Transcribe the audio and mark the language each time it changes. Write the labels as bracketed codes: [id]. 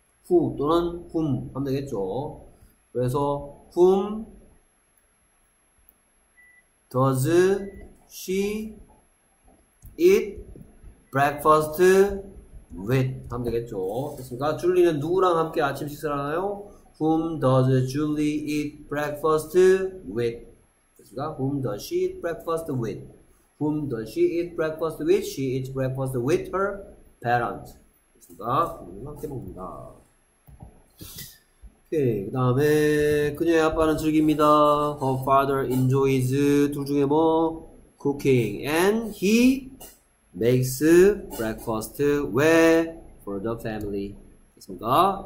[en] who [ko] 또는 [en] whom [ko] 하면 되겠죠. 그래서 [en] whom does she eat breakfast with [ko] 하면 되겠죠. 됐습니까? 줄리는 누구랑 함께 아침 식사를 하나요? [en] whom does Julie eat breakfast with [ko] 됐습니까? [en] whom does she eat breakfast with whom does she eat breakfast with she eats breakfast with her parent. [ko] 됐습니다. 그럼 함께 봅니다. 오케이. 그 다음에, 그녀의 아빠는 즐깁니다. [en] Her father enjoys, [ko] 둘 중에 뭐, [en] cooking. And he makes breakfast where? For the family. [ko] 됐습니다.